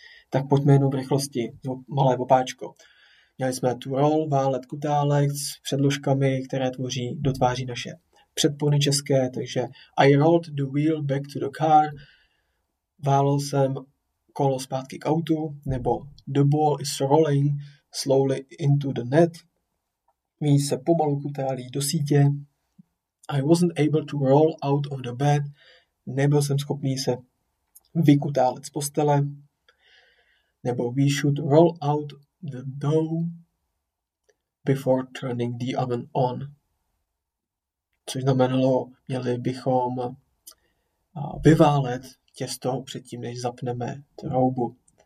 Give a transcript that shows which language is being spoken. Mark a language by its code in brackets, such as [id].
[cs] Tak pojďme jenom v rychlosti, malé opáčko. Měli jsme tu roll, válet, kutálek s předložkami, které tvoří, dotváří naše předpony české, takže [en] I rolled the wheel back to the car. [cs] Válel jsem kolo zpátky k autu, nebo [en] the ball is rolling slowly into the net. [cs] Míč se pomalu kutálí do sítě. [en] I wasn't able to roll out of the bed. [cs] Nebyl jsem schopný se vykutálet z postele. [en] Nebo we should roll out the dough before turning the oven on. [cs] Což znamenalo, měli bychom vyválet těsto předtím, než zapneme troubu.